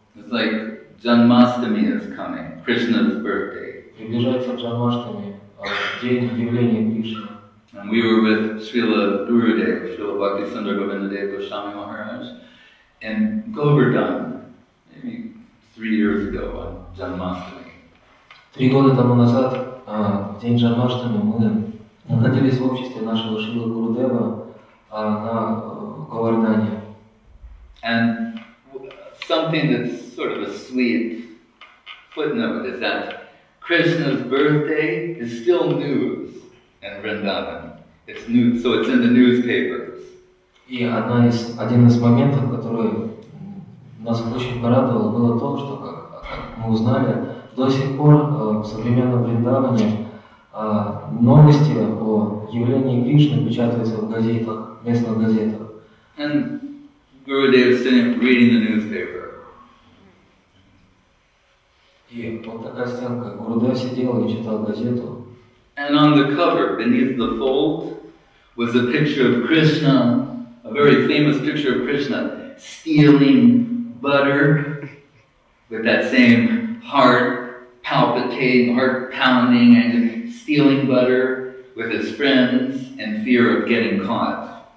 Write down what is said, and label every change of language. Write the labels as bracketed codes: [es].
[en] It's like Janmashtami is coming, Krishna's birthday. [ru] Приближается Джанмаштами, день явления Кришны. [en] And we were with Srila Gurudev, Srila Bhaktisundara Govindadev Goswami Maharaj, in Govardhan, maybe 3 years ago on Janmashtami. [ru] 3 года тому назад, в день Джанмаштами, мы находились в обществе нашего Шрила Гурудева на Говардане. [en] And something that's sort of a sweet footnote is that Krishna's birthday is still news in Vrindavan. It's news, so it's in the newspapers. [ru] И один из моментов, который нас очень порадовал, было то, что, как мы узнали, до сих пор в современном Вриндаване новости о явлении Кришны печатаются в газетах, местных газетах. [en] And Gurudev is reading the newspaper. [ru] И вот такая сценка. Гурудев сидел и читал газету. [en] And on the cover, beneath the fold, was a picture of Krishna, a very famous picture of Krishna, stealing butter with that same heart palpitating, heart pounding, and stealing butter with his friends in fear of getting caught.